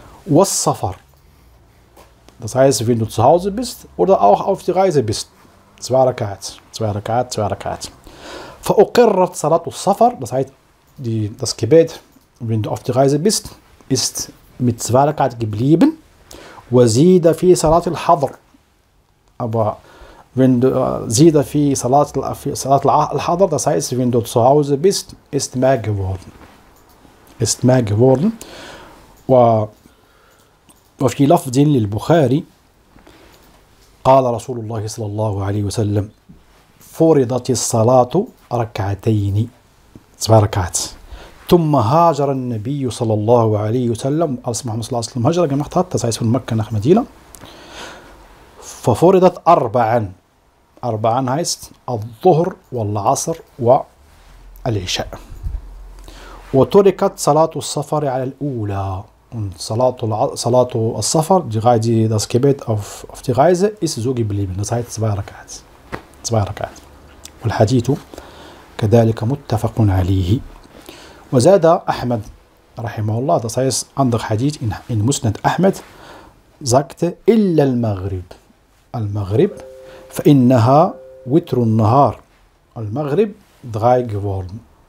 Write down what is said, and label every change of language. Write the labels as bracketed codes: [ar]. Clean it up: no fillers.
[ar] والسفر [de] das heißt wenn du zu Hause bist oder auch auf die Reise bist 2 Rak'at 2 Rak'at 2 Rak'at [ar] فأقرت صلاة السفر [de] das heißt das Gebet, wenn du auf die Reise bist, ist mit 2 Rak'at geblieben. [ar] وَزِيدَ فِي صَلَاتِ الْحَضْرِ [de] Aber wenn du زِيدَ فِي صَلَاتِ الْحَضْرِ das heißt, wenn du zu Hause bist, ist mehr geworden. Ist mehr geworden. [ar] وفي لفظ للبخاري قال رسول الله صلى الله عليه وسلم فُرِضَتِ الصَّلَاةُ رَكَّعَتَيْنِ [de] zwei Rak'at. [ar] ثم هاجر النبي صلى الله عليه وسلم [de] als Muhammad [ar] صلى الله عليه وسلم هجر [de] gemacht hat, das heißt von Mekka nach Medina. [ar] ففرضت أربعا. أربعا [de] heißt [ar] الظهر والعصر والعشاء. وتركت صلاة السفر على الأولى. [de] Und [ar] صلاة السفر, [de] das Gebet auf die Reise, ist so geblieben. Das heißt zwei Rak'at. Zwei Rak'at. [ar] والحديث كذلك متفق عليه وزاد أحمد رحمه الله [de] das heißt [ar] عندك حديث in مسند أحمد [de] sagte [ar] إلا المغرب المغرب فإنها وتر النهار المغرب [de] drei geworden